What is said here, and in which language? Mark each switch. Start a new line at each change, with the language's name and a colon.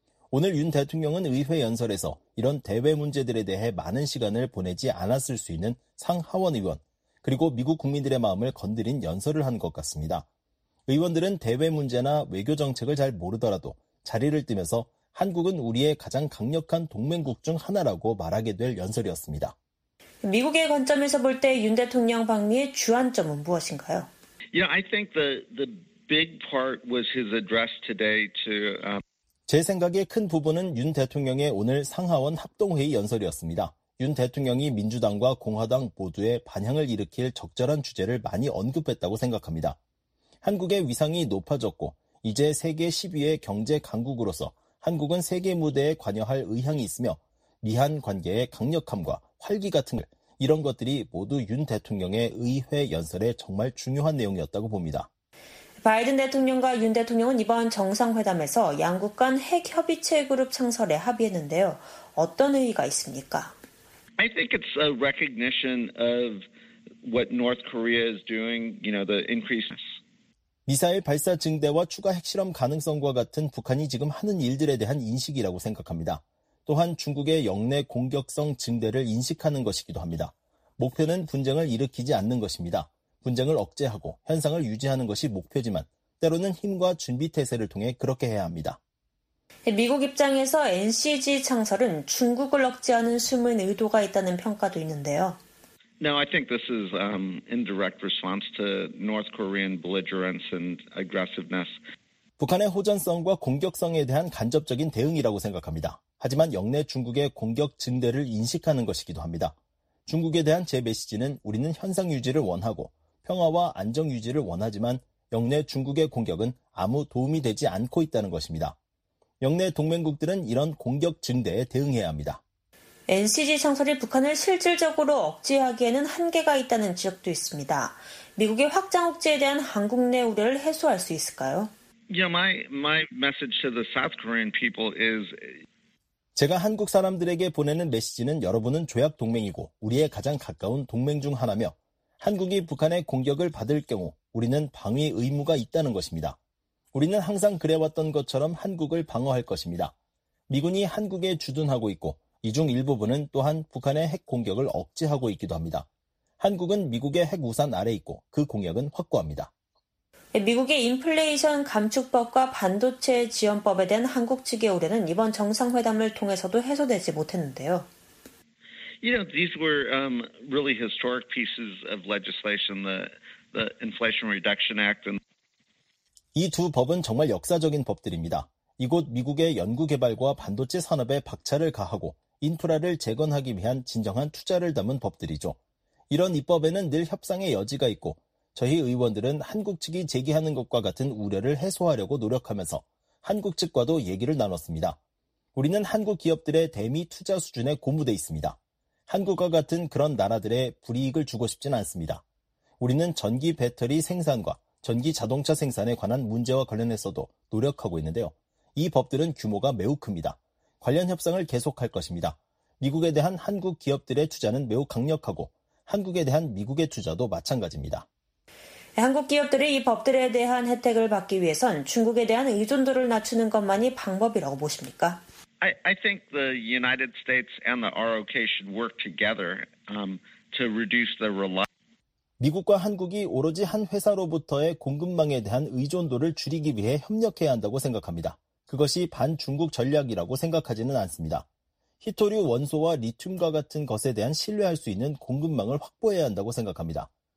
Korean: 오늘 윤 대통령은 의회 연설에서 이런 대외 문제들에 대해 많은 시간을 보내지 않았을 수 있는 상하원 의원, 그리고 미국 국민들의 마음을 건드린 연설을 한 것 같습니다. 의원들은 대외 문제나 외교 정책을 잘 모르더라도 자리를 뜨면서 한국은 우리의 가장 강력한 동맹국 중 하나라고 말하게 될 연설이었습니다. 미국의 관점에서 볼 때 윤 대통령 방미의 주안점은 무엇인가요?
English: I think the big part was his address today to
Korean: 제 생각의 큰 부분은 윤 대통령의 오늘 상하원 합동회의 연설이었습니다. 윤 대통령이 민주당과 공화당 모두의 반향을 일으킬 적절한 주제를 많이 언급했다고 생각합니다. 한국의 위상이 높아졌고 이제 세계 10위의 경제 강국으로서 한국은 세계 무대에 관여할 의향이 있으며 미한 관계의 강력함과 활기 같은 것, 이런 것들이 모두 윤 대통령의 의회 연설에 정말 중요한 내용이었다고 봅니다. 바이든 대통령과 윤 대통령은 이번 정상회담에서 양국 간 핵협의체 그룹 창설에 합의했는데요. 어떤 의의가 있습니까?
English: I think it's a recognition of what North Korea is doing, the increase.
Korean: 미사일 발사 증대와 추가 핵실험 가능성과 같은 북한이 지금 하는 일들에 대한 인식이라고 생각합니다. 또한 중국의 역내 공격성 증대를 인식하는 것이기도 합니다. 목표는 분쟁을 일으키지 않는 것입니다. 분쟁을 억제하고 현상을 유지하는 것이 목표지만 때로는 힘과 준비태세를 통해 그렇게 해야 합니다. 미국 입장에서 NCG 창설은 중국을 억제하는 숨은 의도가 있다는 평가도 있는데요.
English: No, I think this is indirect response to North Korean belligerence and aggressiveness.
Korean: 북한의 호전성과 공격성에 대한 간접적인 대응이라고 생각합니다. 하지만 역내 중국의 공격 증대를 인식하는 것이기도 합니다. 중국에 대한 제 메시지는 우리는 현상 유지를 원하고 평화와 안정 유지를 원하지만 역내 중국의 공격은 아무 도움이 되지 않고 있다는 것입니다. 역내 동맹국들은 이런 공격 증대에 대응해야 합니다. NCG 창설이 북한을 실질적으로 억제하기에는 한계가 있다는 지적도 있습니다. 미국의 확장 억제에 대한 한국 내 우려를 해소할 수 있을까요?
English: You know, my message to the South Korean people is
Korean: 제가 한국 사람들에게 보내는 메시지는 여러분은 조약 동맹이고 우리의 가장 가까운 동맹 중 하나며 한국이 북한의 공격을 받을 경우 우리는 방위 의무가 있다는 것입니다. 우리는 항상 그래왔던 것처럼 한국을 방어할 것입니다. 미군이 한국에 주둔하고 있고 이 중 일부분은 또한 북한의 핵 공격을 억제하고 있기도 합니다. 한국은 미국의 핵 우산 아래 있고 그 공격은 확고합니다. 미국의 인플레이션 감축법과 반도체 지원법에 대한 한국 측의 우려는 이번 정상회담을 통해서도 해소되지 못했는데요.
English: You know, these were really historic pieces of legislation, the Inflation Reduction Act.
Korean: 이 두 법은 정말 역사적인 법들입니다. 이곳 미국의 연구개발과 반도체 산업에 박차를 가하고 인프라를 재건하기 위한 진정한 투자를 담은 법들이죠. 이런 입법에는 늘 협상의 여지가 있고 저희 의원들은 한국 측이 제기하는 것과 같은 우려를 해소하려고 노력하면서 한국 측과도 얘기를 나눴습니다. 우리는 한국 기업들의 대미 투자 수준에 고무돼 있습니다. 한국과 같은 그런 나라들의 불이익을 주고 싶진 않습니다. 우리는 전기 배터리 생산과 전기 자동차 생산에 관한 문제와 관련해서도 노력하고 있는데요. 이 법들은 규모가 매우 큽니다. 관련 협상을 계속할 것입니다. 미국에 대한 한국 기업들의 투자는 매우 강력하고 한국에 대한 미국의 투자도 마찬가지입니다. 한국 기업들이 이 법들에 대한 혜택을 받기 위해선 중국에 대한 의존도를 낮추는 것만이 방법이라고 보십니까?
English: I think the United States and the ROK should work together to reduce the reliance.
Korean: 미국과 한국이 오로지 한 회사로부터의 공급망에 대한 의존도를 줄이기 위해 협력해야 한다고 생각합니다. 그것이 반중국 전략이라고 생각하지는 않습니다. 희토류 원소와 리튬과 같은 것에 대한 신뢰할 수 있는 공급망을 확보해야 한다고 생각합니다.